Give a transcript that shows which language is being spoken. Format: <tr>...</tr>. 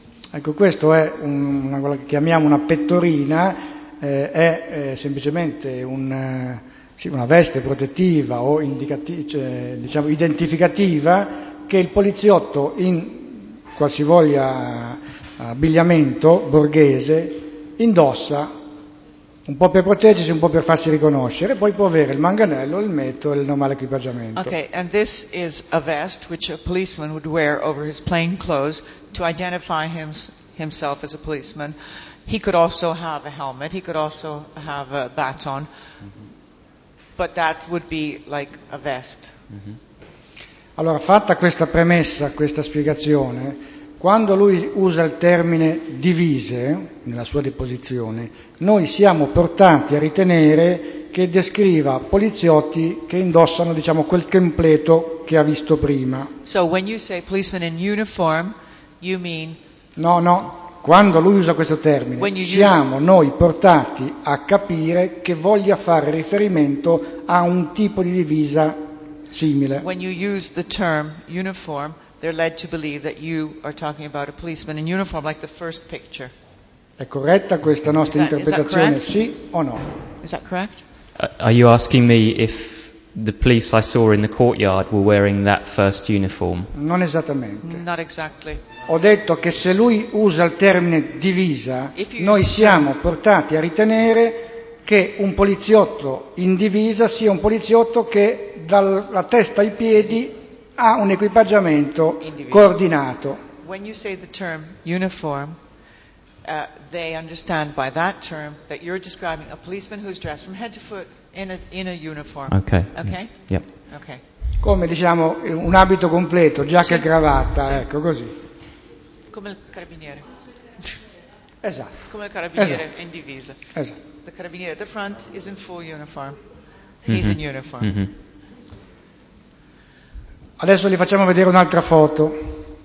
<it>Ecco, questo è una cosa che chiamiamo una pettorina, è semplicemente una veste protettiva o identificativa che il poliziotto in qualsivoglia abbigliamento borghese indossa un po' per proteggersi, un po' per farsi riconoscere, poi può avere il manganello, il metro e il normale equipaggiamento.</it> <en>Ok, and this is a vest which a policeman would wear over his plain clothes to identify himself as a policeman. He could also have a helmet, he could also have a baton, but that would be like a vest.</en> <it>Allora, fatta questa premessa, questa spiegazione, quando lui usa il termine divise nella sua deposizione, noi siamo portati a ritenere che descriva poliziotti che indossano, diciamo, quel templeto che ha visto prima.</it> <en>So when you say policeman in uniform, you mean... No.</en> <it>Quando lui usa questo termine, siamo noi portati a capire che voglia fare riferimento a un tipo di divisa simile.</it> <en>When you use the term uniform, they're led to believe that you are talking about a policeman in uniform, like the first picture.</en> <it>È corretta questa nostra interpretazione, sì o no?</it> <en>Is that correct? Are you asking me if the police I saw in the courtyard were wearing that first uniform?</en> <it>Non esattamente.</it> <en>Not exactly.</en> <it>Ho detto che se lui usa il termine divisa, noi siamo portati a ritenere che un poliziotto in divisa sia un poliziotto che dalla testa ai piedi ha un equipaggiamento coordinato.</it> <en>When you say the term uniform, they understand by that term that you're describing a policeman who's dressed from head to foot in a uniform. Okay. Yep. Okay.</en> <it>Come diciamo un abito completo, giacca e cravatta, ecco così. Come il carabiniere. Esatto. Come il carabiniere in divisa. Esatto.</it> <en>The carabiniere at the front is in full uniform. He's in uniform.</en> <it>Adesso gli facciamo vedere un'altra foto.</it>